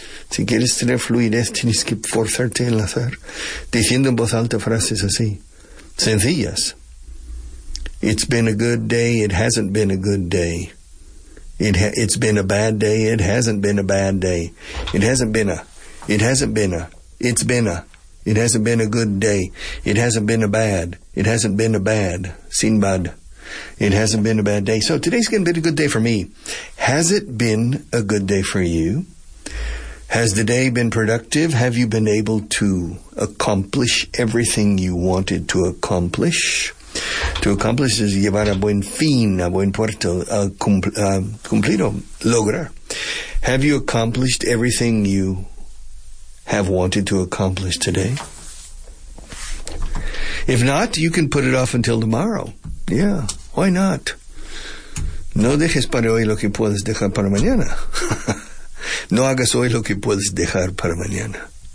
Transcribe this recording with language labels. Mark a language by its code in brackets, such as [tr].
[es] Si quieres tener fluidez, tienes que forzarte a enlazar, diciendo en voz alta frases así, sencillas. [en] It's been a good day, it hasn't been a good day. It's been a bad day, it hasn't been a bad day. It hasn't been a, it hasn't been a, it's been a, it hasn't been a good day. It hasn't been a bad, it hasn't been a bad. Sin bad. It hasn't been a bad day. So today's going to be a good day for me. Has it been a good day for you? Has the day been productive? Have you been able to accomplish everything you wanted to accomplish? To accomplish is [es] llevar a buen fin, a buen puerto, a cumplido, lograr. [en] Have you accomplished everything you have wanted to accomplish today? If not, you can put it off until tomorrow. Yeah, why not? [es] No dejes para hoy lo que puedes dejar para mañana. No hagas hoy lo que puedes dejar para mañana.